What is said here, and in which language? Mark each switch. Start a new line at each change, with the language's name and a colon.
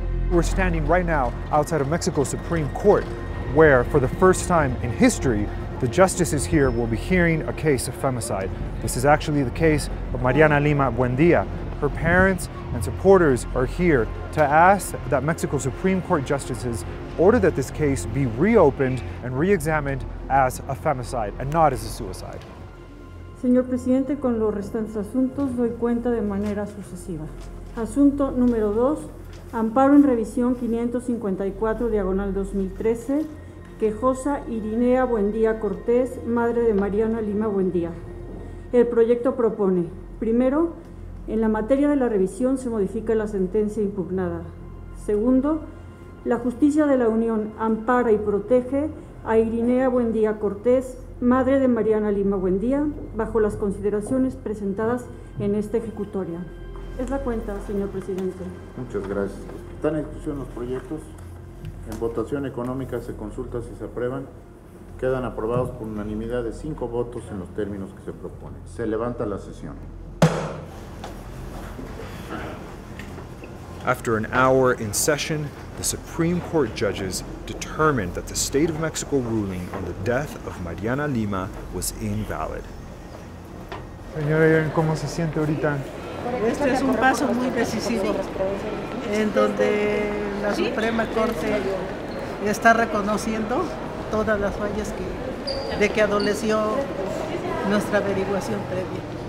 English: We're standing right now outside of Mexico's Supreme Court, where for the first time in history, the justices here will be hearing a case of femicide. This is actually the case of Mariana Lima Buendía. Her parents and supporters are here to ask that Mexico's Supreme Court justices order that this case be reopened and re-examined as a femicide and not as a suicide.
Spanish: Señor Presidente, con los restantes asuntos doy cuenta de manera sucesiva. Asunto número 2. Amparo en revisión 554/2013, quejosa Irinea Buendía Cortés, madre de Mariana Lima Buendía. El proyecto propone, primero, en la materia de la revisión se modifica la sentencia impugnada. Segundo, la justicia de la Unión ampara y protege a Irinea Buendía Cortés, madre de Mariana Lima Buendía, bajo las consideraciones presentadas en esta ejecutoria. Es la cuenta, señor presidente. Muchas gracias. Están en discusión los proyectos. En votación económica se consulta si se aprueban. Quedan aprobados por unanimidad de 5 votos en los términos que se proponen. Se levanta la sesión.
English: After an hour in session, the Supreme Court judges determined that the State of Mexico ruling on the death of Mariana Lima was invalid.
Spanish: Señora, ¿cómo se siente ahorita? Este es un paso muy decisivo en donde la Suprema Corte está reconociendo todas las fallas de que adoleció nuestra averiguación previa.